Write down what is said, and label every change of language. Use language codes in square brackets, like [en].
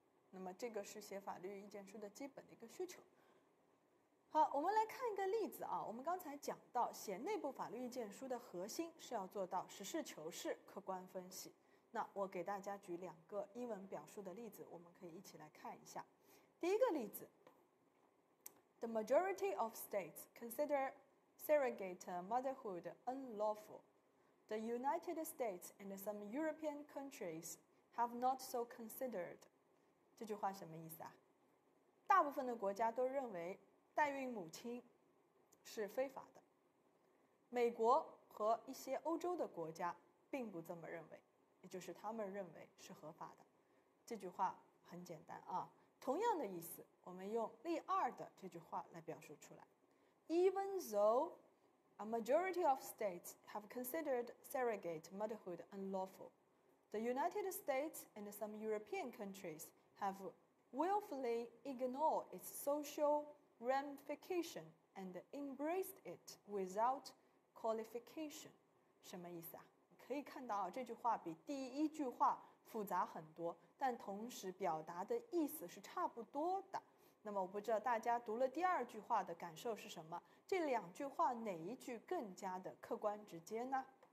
[zh] 那么这个是写法律意见书的基本的一个需求。好，我们来看一个例子啊。我们刚才讲到写内部法律意见书的核心是要做到实事求是、客观分析。那我给大家举两个英文表述的例子，我们可以一起来看一下。第一个例子， [en] The majority of states consider surrogate motherhood unlawful. The United States and some European countries have not so considered. [zh] 这句话什么意思啊？大部分的国家都认为代孕母亲是非法的，美国和一些欧洲的国家并不这么认为，也就是他们认为是合法的。这句话很简单啊，同样的意思我们用例二的这句话来表述出来。 [en] Even though a majority of states have considered surrogate motherhood unlawful, the United States and some European countries have willfully ignored its social ramification and embraced it without qualification. [zh] 什么意思啊？可以看到这句话比第一句话复杂很多，但同时表达的意思是差不多的。那么我不知道大家读了第二句话的感受是什么，这两句话哪一句更加的客观直接呢？